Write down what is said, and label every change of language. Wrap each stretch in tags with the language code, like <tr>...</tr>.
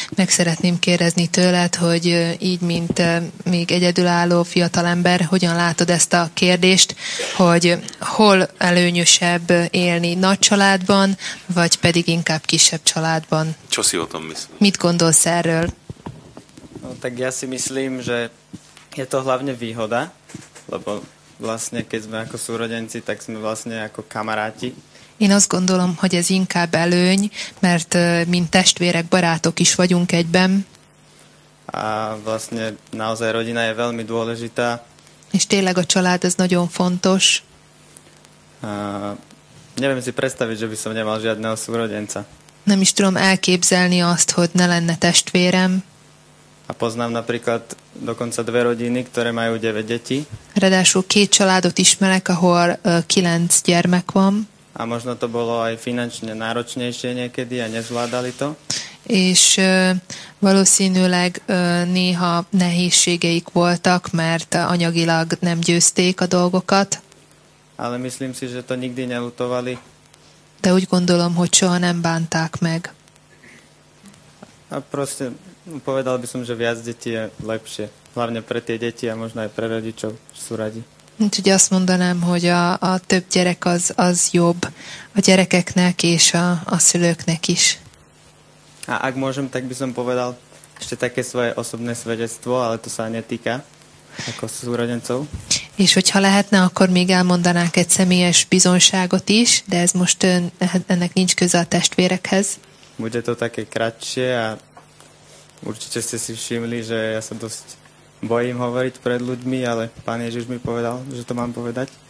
<hu>Meg szeretném kérdezni tőled, hogy így, mint még egyedülálló fiatalember, hogyan látod ezt a kérdést, hogy hol előnyösebb élni nagy családban, vagy pedig inkább kisebb családban? Csoszi otom viszont. Mit gondolsz erről?</hu> <sk>No, tak ja si myslím, že je to hlavne výhoda, lebo vlastne, keď sme ako súrodenci, tak sme vlastne ako kamaráti.</sk> <hu>Én azt gondolom, hogy ez inkább előny, mert mint testvérek, barátok is vagyunk egyben.</hu> <sk>A vlastne naozaj rodina je veľmi dôležitá.</sk> <hu>És tényleg a család ez nagyon fontos.</hu> <sk>A neviem si predstaviť, že by som nemal žiadného súrodenca.</sk> <hu>Nem is tudom elképzelni azt, hogy ne lenne testvérem.</hu> <sk>A poznám napríklad dokonca dve rodiny, ktoré majú 9 detí.</sk> <hu>Ráadásul két családot ismerek, ahol 9 gyermek van.</hu> <sk>A možno to bolo aj finančne náročnejšie niekedy a nezvládali to.</sk> <hu>És valószínűleg néha nehézségeik voltak, mert anyagilag nem győzték a dolgokat.</hu> <sk>Ale myslím si, že to nikdy nelutovali.</sk> <hu>De úgy gondolom, hogy soha nem bánták meg.</hu> <sk>A proste... Povedal by som, že viac detí je lepšie. Hlavne pre tie deti a možno aj pre rodičov, čo sú radi. Čiže</sk> <hu>azt mondanám, hogy a több gyerek az jobb a gyerekeknek és a szülőknek is.</hu> <sk>A ak môžem, tak by som povedal ešte také svoje osobné svedectvo, ale to sa netýka ako súrodencov.</sk> <hu>És hogyha lehetne, akkor még elmondanák egy személyes bizonságot is, de ez most ennek nincs köze a testvérekhez.</hu> <sk>Bude to také kratšie a určite ste si všimli, že ja sa dosť bojím hovoriť pred ľuďmi, ale Pán Ježiš mi povedal, že to mám povedať.</sk>